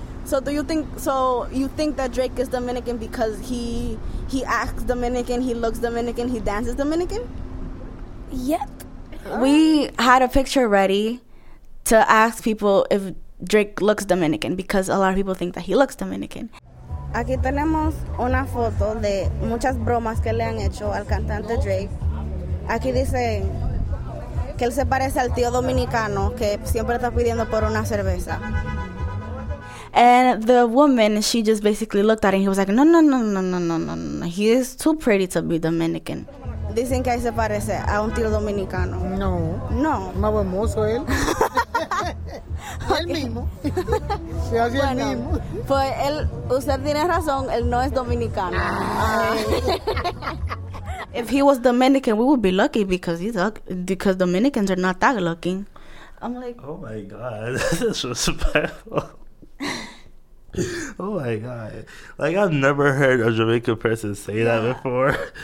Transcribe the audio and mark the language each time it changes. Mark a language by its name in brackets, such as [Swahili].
[English] So do you think, so you think that Drake is Dominican because he acts Dominican, he looks Dominican, he dances Dominican? Yep. We had a picture ready to ask people if Drake looks Dominican, because a lot of people think that he looks Dominican. [Spanish] Aquí tenemos una foto de muchas bromas que le han hecho al cantante Drake. Aquí dice que él se parece al tío dominicano que siempre está pidiendo por una cerveza. [English] And the woman, she just basically looked at him. He was like, no, no, no, no, no, no, no, no. He is too pretty to be Dominican. [Spanish] Dicen que ahí se parece a un tío dominicano. No. No. Más hermoso él. Okay. El mismo. Se hace bueno, el mismo. Pues él, usted tiene razón, él no es dominicano. Ah. [English] If he was Dominican, we would be lucky because Dominicans are not that lucky. I'm like, oh my God, that's disrespectful. Oh my God. Like, I've never heard a Jamaican person say that before.